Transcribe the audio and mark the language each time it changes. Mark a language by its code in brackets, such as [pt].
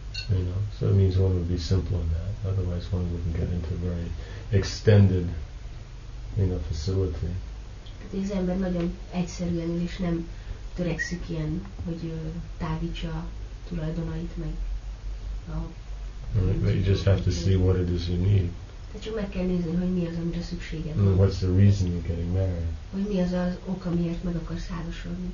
[en] You know, so it means one would be simple on that, otherwise one wouldn't get into a very extended, you know, facility. [hu] Tehát az ember nagyon egyszerűen él, és nem törekszik ilyen, hogy távítsa a tulajdonait, meg a [en] Right, but you just have to see what it is you need. [hu] Tehát csak meg kell nézni, hogy mi az, amire szükséged van. [en] What's the reason you're getting married? [hu] Hogy mi az az oka, miért meg akarsz házasodni?